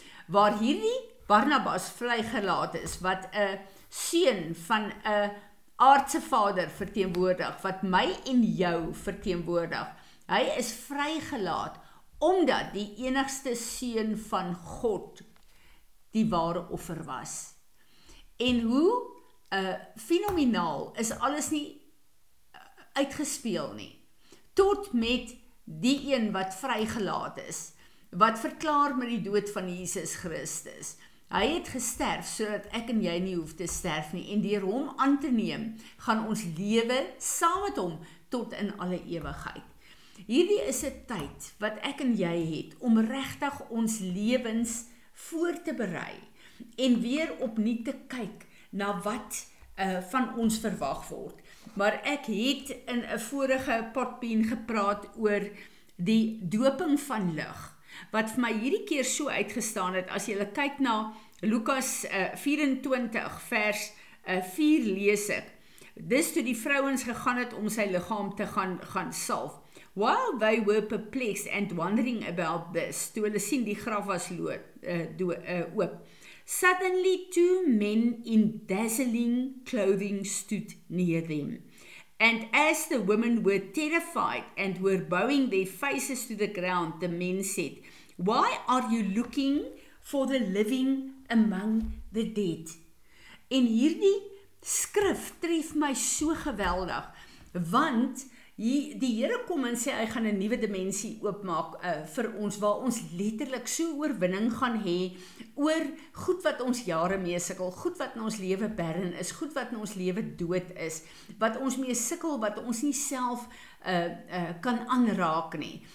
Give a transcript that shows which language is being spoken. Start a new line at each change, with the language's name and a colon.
Afrikaans: Waar hierdie Barnabas vrygelaat is, wat 'n seun van 'n aardse vader verteenwoordig, wat my en jou verteenwoordig, hy is vrygelaat omdat die enigste seun van God die ware offer was. En hoe fenomenaal is alles nie uitgespeel nie, tot met die een wat vrygelaat is, wat verklaar met die dood van Jesus Christus. Hy het gesterf sodat ek en jy nie hoef te sterf nie, en deur hom aan te neem, gaan ons lewe saam met hom tot in alle ewigheid. Hierdie is 'n tyd wat ek en jy het om regtig ons lewens voor te berei en weer opnuut te kyk na wat van ons verwag word. Maar ek het in 'n vorige potpien gepraat oor die doping van lig, wat vir my hierdie keer so uitgestaan het. As jy kyk na Lukas 24 vers 4 lees ek, dis toe die vrouens gegaan het om sy liggaam te gaan salf.
English: While they were perplexed and wondering about this,
Afrikaans: toe hulle sien die graf was oop,
English: suddenly two men in dazzling clothing stood near them. And as the women were terrified and were bowing their faces to the ground, the men said, why are you looking for the living among the dead?
Afrikaans: En hierdie skrif tref my so geweldig, want die Here kom en sê, hy gaan 'n nuwe dimensie oopmaak vir ons, waar ons letterlik so oorwinning gaan hê oor goed wat ons jare mee sukkel, goed wat in ons lewe barren is, goed wat in ons lewe dood is, wat ons mee sukkel, wat ons nie self kan aanraak nie.